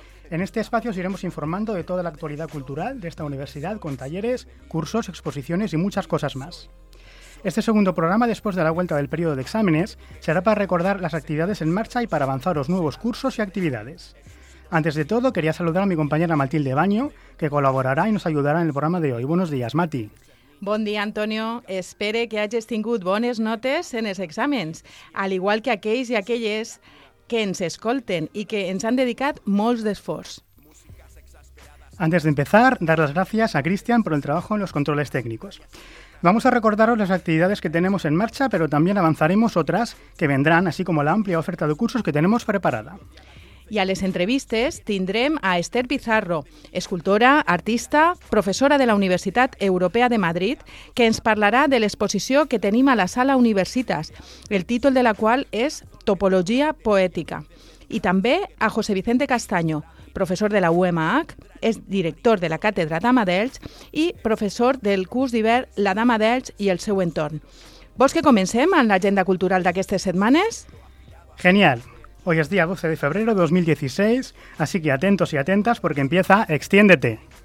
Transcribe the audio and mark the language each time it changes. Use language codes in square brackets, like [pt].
[es] En este espacio os iremos informando de toda la actualidad cultural de esta universidad con talleres, cursos, exposiciones y muchas cosas más. Este segundo programa, después de la vuelta del periodo de exámenes, será para recordar las actividades en marcha y para avanzar los nuevos cursos y actividades. Antes de todo, quería saludar a mi compañera Matilde Baño, que colaborará y nos ayudará en el programa de hoy. Buenos días, Mati. [ca] Bon dia, Antonio. Espere que hagis tingut bones notes en els exàmens, [es] al igual que [ca] aquells i aquelles que ens escolten i que ens han dedicat molts d'esforç. [es] Antes de empezar, dar las gracias a Cristian por el trabajo en los controles técnicos. Vamos a recordaros las actividades que tenemos en marcha, pero también avanzaremos otras que vendrán, así como la amplia oferta de cursos que tenemos preparada. [ca] I a les entrevistes tindrem a Esther Pizarro, escultora, artista, professora de la Universitat Europea de Madrid, que ens parlarà de l'exposició que tenim a la Sala Universitas, el títol de la qual és Topologia Poètica. I també a José Vicente Castaño, professor de la UMH, és director de la Càtedra Dama d'Elx i professor del curs d'hivern La Dama d'Elx i el seu entorn. Vols que comencem amb l'agenda cultural d'aquestes setmanes? Genial! [es] Hoy es día 12 de febrero de 2016, así que atentos y atentas porque empieza Extiéndete.